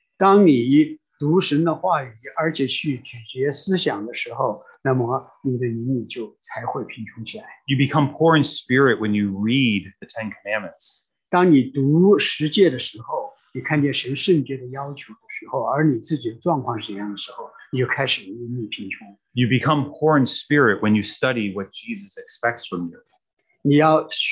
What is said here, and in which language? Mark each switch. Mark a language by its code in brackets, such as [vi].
[en] You become poor in spirit when you read the Ten Commandments. [zh] 当你读十诫的时候，你看见神圣洁的要求的时候，而你自己的状况是怎样的时候，你就开始隐隐贫穷。 [en] You become poor in spirit when you study what Jesus expects from you.